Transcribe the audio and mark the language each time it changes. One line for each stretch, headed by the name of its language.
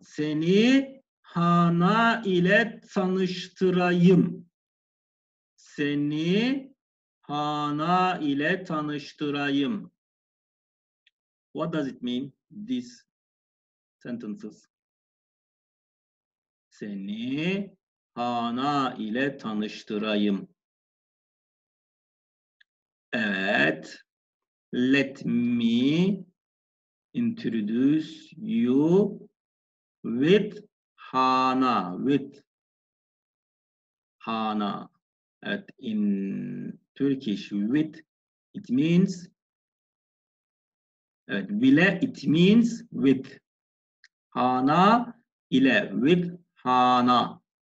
Turkish: Seni Hana ile tanıştırayım. Seni Hana ile tanıştırayım.
English: What does it mean, these sentences?
Turkish: Seni Hana ile tanıştırayım. Evet.
English: Let me introduce you with Hana. With Hana. Evet, in Turkish, with, it means, evet, bile, it means with, Hana ile, with Hana.